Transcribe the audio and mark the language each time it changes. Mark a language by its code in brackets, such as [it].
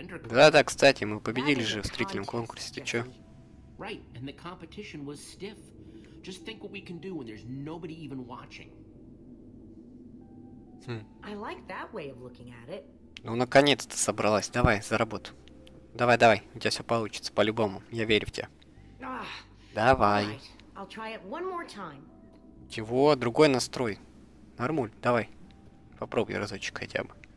[ru] Да-да, кстати, мы победили же в строительном конкурсе, ты чё? [en] Right, and the competition was stiff. Just think what we can do when there's nobody even watching. I like that way of looking at it. [ru] Ну, наконец-то собралась. Давай, за работу. Давай-давай, у тебя все получится, по-любому. Я верю в тебя. Давай. [en] I'll try it one more time. [ru] Чего? Другой настрой. Нормуль, давай. Попробуй разочек хотя бы.